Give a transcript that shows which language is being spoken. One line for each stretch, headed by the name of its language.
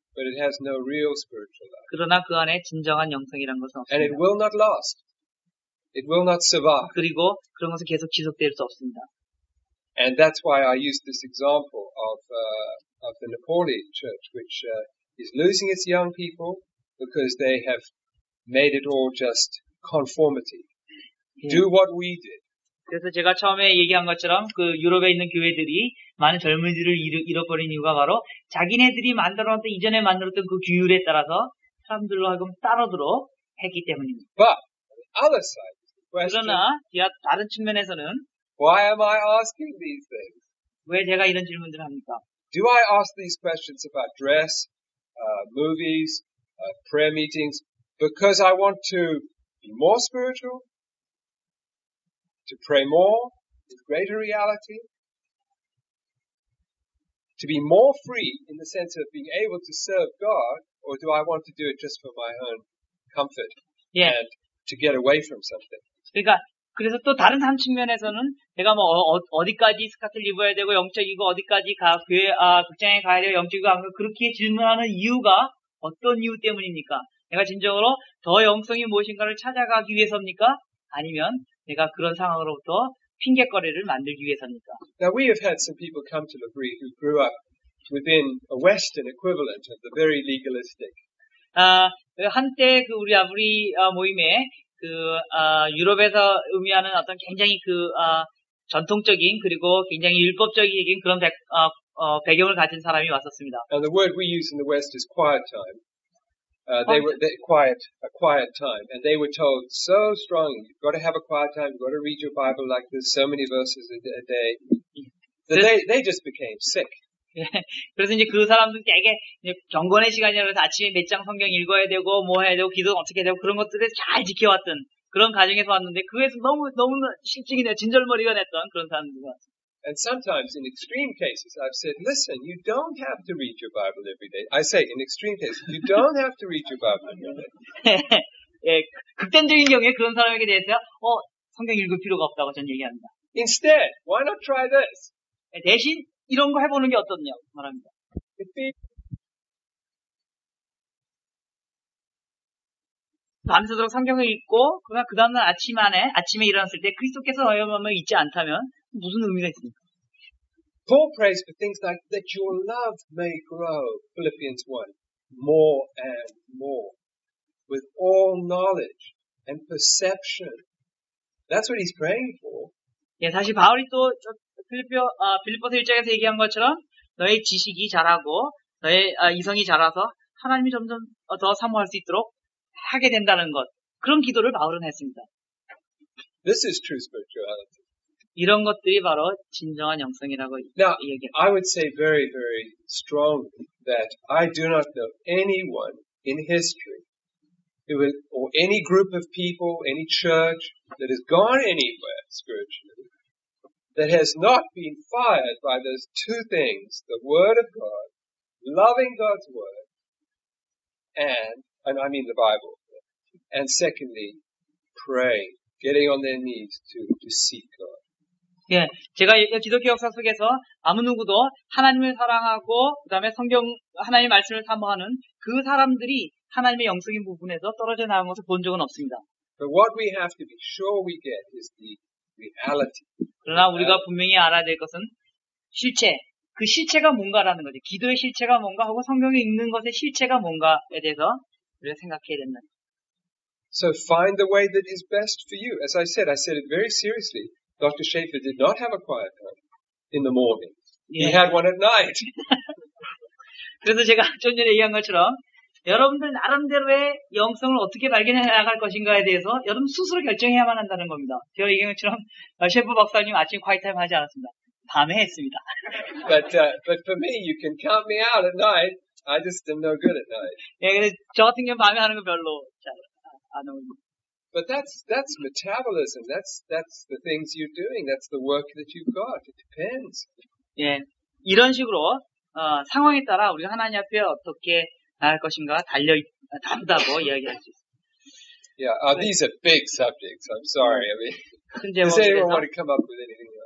English: But it has no real spiritual life.
Korean: 그러나 그 안에 진정한 영성이란 것은 없습니다.
English: And it will not last. It will not survive.
Korean: 그리고 그런 것은 계속 지속될 수 없습니다.
English: And that's why I used this example of the Nepali church, which is losing its young people because they have made it all just conformity. 예. Do what we did.
Korean: 그래서 제가 처음에 얘기한 것처럼 그 유럽에 있는 교회들이 많은 젊은이들을 잃어버린 이유가 바로 자기네들이 만들어놨던 이전에 만들었던 그 규율에 따라서 사람들로 하여금 따르도록 했기 때문입니다.
English: But other side.
Korean: 그러나 다른 측면에서는
English: Why am I asking these things?
Korean: 왜 제가 이런 질문들을 합니까?
English: Do I ask these questions about dress, movies, prayer meetings because I want to be more spiritual, to pray more with greater reality, to be more free in the sense of being able to serve God, or do I want to do it just for my own comfort and to get away from something?
Korean: 그러니까 그래서 또 다른 한 측면에서는 내가 뭐 어디까지 스커트를 입어야 되고 영적이고 어디까지 가 교회 극장에 가야 되고 영적이고 그렇게 질문하는 이유가 어떤 이유 때문입니까? 내가 진정으로 더 영성이 무엇인가를 찾아가기 위해서입니까? 아니면 내가 그런 상황으로부터 핑계거리를 만들기 위해서입니까?
English: Now we have had some people come to Liberty who grew up within a Western equivalent of the very legalistic.
Korean: 한때 그 우리 아브리 모임에 그 유럽에서 의미하는 어떤 굉장히 그 전통적인 그리고 굉장히 율법적인 그런 배경을 가진 사람이 왔었습니다.
English: And the word we use in the West is quiet time. They were a quiet time, and they were told so strongly, you've got to have a quiet time, you've got to read your Bible like this, so many verses a day. That they just became sick.
Korean: 그래서 이제 그 사람들에게 경건의 시간이라서 아침에 몇 장 성경 읽어야 되고 뭐 해야 되고 기도 어떻게 해야 되고 그런 것들을 잘 지켜왔던 그런 가정에서 왔는데 그에서 너무 실증이 나 진절머리가 났던 그런 사람들 같습니다.
English: And sometimes in extreme cases, I've said, listen, you don't have to read your Bible every day. I say in extreme cases, you don't have to read your Bible every day.
Korean: 예, 극단적인 경우에 그런 사람에게 대해서 성경 읽을 필요가 없다고 저는 얘기합니다.
English: Instead, why not try this?
Korean: 대신 이런 거 해보는 게 어떻냐 말합니다.
English: Be...
Korean: 밤새도록 성경을 읽고 그러나 그 다음날 아침 안에 아침에 일어났을 때 그리스도께서 너희 마음에 있지 않다면 무슨 의미가 있습니까?
English: Paul prays for things like that your love may grow, Philippians 1, more and more, with all knowledge and perception. That's what he's praying for.
Korean: 예, 사실 바울이 또 필립보서 1장에서 얘기한 것처럼 너의 지식이 자라고 너의 이성이 자라서 하나님이 점점 더 사모할 수 있도록 하게 된다는 것 그런 기도를 바울은 했습니다.
English: This is true spirituality.
Korean: 이런 것들이 바로 진정한 영성이라고 얘기합니다.
English: I would say very, very strongly that I do not know anyone in history or any group of people, any church that has gone anywhere spiritually. That has not been fired by those two things, the Word of God, loving God's Word, and I mean the Bible, and secondly, praying, getting on their knees to seek God.
Korean: 예, 제가 기독교 역사 속에서 아무 누구도 하나님을 사랑하고, 그 다음에 성경, 하나님 말씀을 사모하는 그 사람들이 하나님의 영성인 부분에서 떨어져 나온 것을 본 적은 없습니다.
English: But what we have to be sure we get is the reality.
Korean: 그러나 우리가 분명히 알아야 될 것은 실체, 그 실체가 뭔가라는 거지. 기도의 실체가 뭔가 하고 성경에 읽는 것의 실체가 뭔가에 대해서 우리가 생각해야 된다.
English: So find the way that is best for you. As I said it very seriously. Dr. Schaefer did not have a quiet time in the morning. He had one at night.
Korean: 그래서 제가 좀 전에 얘기한 것처럼 여러분들 나름대로의 영성을 어떻게 발견해 나갈 것인가에 대해서 여러분 스스로 결정해야만 한다는 겁니다. 제가 얘기한 것처럼 셰프 박사님 아침 quiet time 하지 않았습니다. 밤에 했습니다.
English: But for me, you can count me out at night. I just am no good at night.
Korean: 예, 근데 저 같은 경우는 밤에 하는 거 별로 잘 안 어울려.
English: But that's metabolism. That's the things you're doing. That's the work that you've got. It depends.
Korean: 예, 이런 식으로 상황에 따라 우리 하나님 앞에 어떻게 나갈 것인가 달려 담다고 이야기할 수 있어.
English: Yeah, these are big subjects. I'm sorry. I mean, does anyone want to come up with anything?